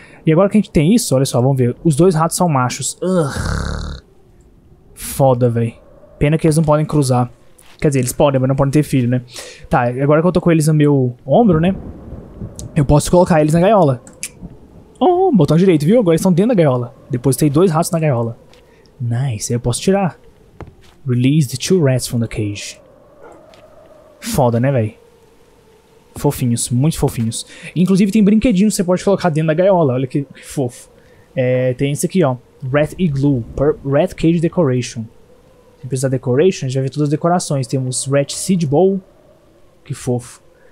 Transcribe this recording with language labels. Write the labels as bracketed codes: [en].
[pt] E agora que a gente tem isso, olha só, vamos ver. Os dois ratos são machos. Foda, véi. Pena que eles não podem cruzar. Quer dizer, eles podem, mas não podem ter filho, né? Tá, agora que eu tô com eles no meu ombro, né? Eu posso colocar eles na gaiola. Oh, botão direito, viu? Agora eles estão dentro da gaiola. Depositei 2 ratos na gaiola. Nice, aí eu posso tirar. [en] Release the 2 rats from the cage. [pt] Foda, né, véi? Fofinhos, muito fofinhos. Inclusive tem brinquedinho que você pode colocar dentro da gaiola. Olha que fofo. É, tem esse aqui, ó. Rat Igloo. [en] Rat Cage Decoration. [pt] Se precisar de decoration, a gente vai ver todas as decorações. Temos Rat Seed Bowl. Que fofo.